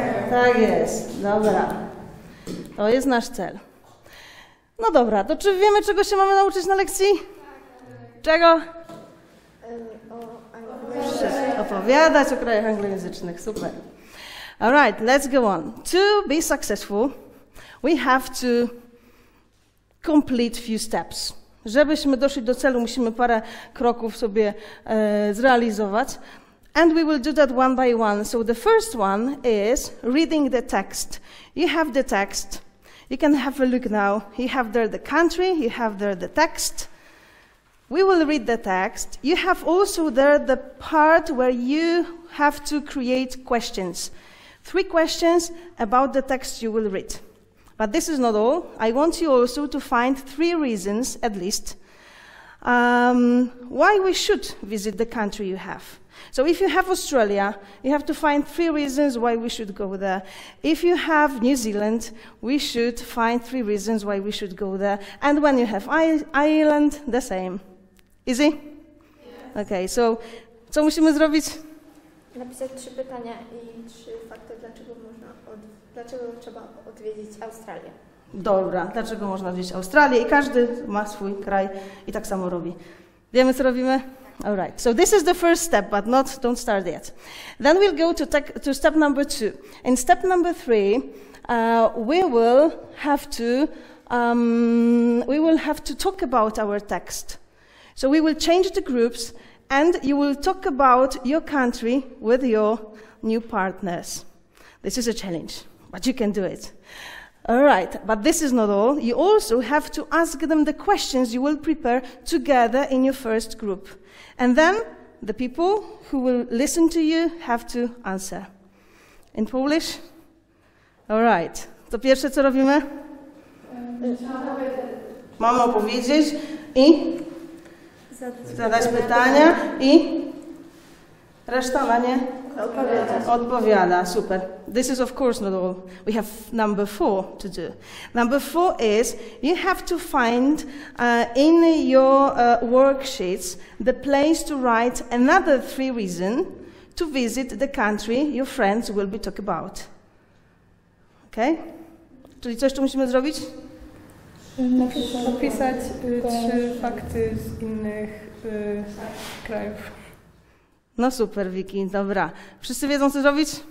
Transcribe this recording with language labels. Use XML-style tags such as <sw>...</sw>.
<pl>Tak jest. Dobra. To jest nasz cel. No dobra. To czy wiemy, czego się mamy nauczyć na lekcji? Czego? Opowiadać o krajach anglojęzycznych.</pl> <en>Super. All right, let's go on. To be successful, we have to complete few steps.</en> <pl>Żebyśmy doszli do celu, musimy parę kroków sobie zrealizować.</pl> <en>And we will do that one by one. So the first one is reading the text. You have the text. You can have a look now. You have there the country, you have there the text. We will read the text. You have also there the part where you have to create questions. Three questions about the text you will read. But this is not all. I want you also to find three reasons, at least, why we should visit the country you have. So if you have Australia, you have to find three reasons why we should go there. If you have New Zealand, we should find three reasons why we should go there. And when you have Ireland, the same. Easy? Yes.</en> <pl>Okay, so co musimy zrobić? Napisać trzy pytania i trzy fakty, dlaczego trzeba odwiedzić Australię. Dobra, dlaczego można odwiedzić Australię? I każdy ma swój kraj i tak samo robi. Wiemy, co robimy?</pl> <en>All right, so this is the first step, but not, don't start yet. Then we'll go to step number two. In step number three, we will have to talk about our text. So we will change the groups, and you will talk about your country with your new partners. This is a challenge, but you can do it. All right, but this is not all. You also have to ask them the questions you will prepare together in your first group. And then the people who will listen to you have to answer. In Polish? All right.</en> <pl>To pierwsze, co robimy? Mam opowiedzieć i... Zadać pytania i reszta na nie odpowiada. Super.</pl> <en>This is of course not all. We have number four to do. Number four is you have to find in your worksheets the place to write another three reasons to visit the country your friends will be talking about. Okay?</en> <pl>Czyli coś tu musimy zrobić? Opisać trzy fakty z innych krajów. No super, Vicky, dobra. Wszyscy wiedzą, co zrobić?</pl>